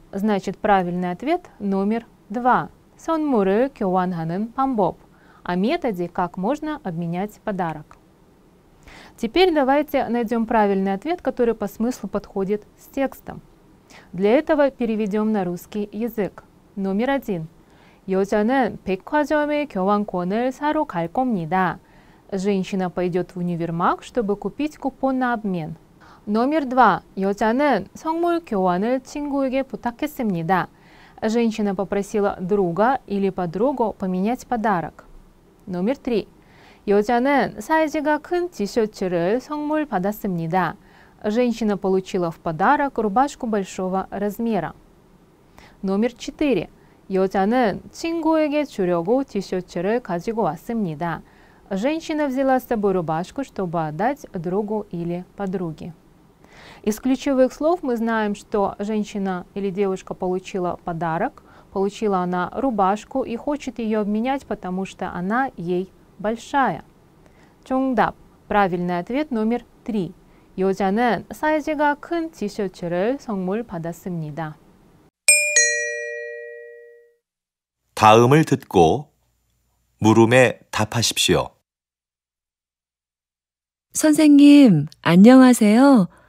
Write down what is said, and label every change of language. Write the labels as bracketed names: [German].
[Russian] Значит, правильный ответ номер два. [Korean] Сонмурэл кёванганэн памбоб. [Russian] О методе, как можно обменять подарок. Теперь давайте найдем правильный ответ, который по смыслу подходит с текстом. Для этого переведем на русский язык. Номер один. [Korean] 여자는 백화점에 교환권을 사러 갈 겁니다. [Russian] Женщина пойдет в универмаг, чтобы купить купон на обмен. Номер два. [Korean] 여자는 선물 교환을 친구에게 부탁했습니다. [Russian] Женщина попросила друга или подругу поменять подарок. Номер три. [Korean] 여자는 사이즈가 큰 티셔츠를 선물 받았습니다. [Russian] Женщина получила в подарок рубашку большого размера. Номер четыре. [Korean] 여자는 친구에게 주려고 티셔츠를 가지고 왔습니다. [Russian] Женщина взяла с собой рубашку, чтобы отдать другу или подруге. Из ключевых слов мы знаем, что женщина или девушка получила подарок, получила она рубашку и хочет ее обменять, потому что она ей большая. [Korean] 정답. [Russian] Правильный ответ номер три. [Korean] 여자는 사이즈가 큰 티셔츠를 선물 받았습니다. 다음을 듣고 물음에 답하십시오. 선생님, 안녕하세요.